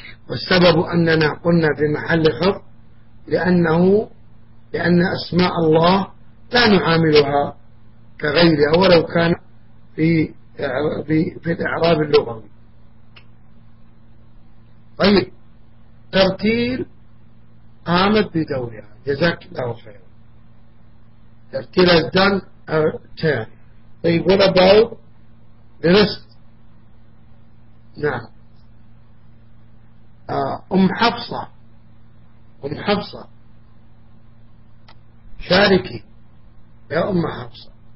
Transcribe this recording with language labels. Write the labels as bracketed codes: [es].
[ar] والسبب أننا قلنا في محل خفض لأن أسماء الله لا نعاملها كغيرها ولو كان في الإعراب اللغوي. طيب ترتيل قامت بدورها، جزاك الله خير. [en] ترتيل has done her turn. [ar] طيب [en] what about the rest؟ [ar] نعم، أم حفصة شاركي يا أم حفصة.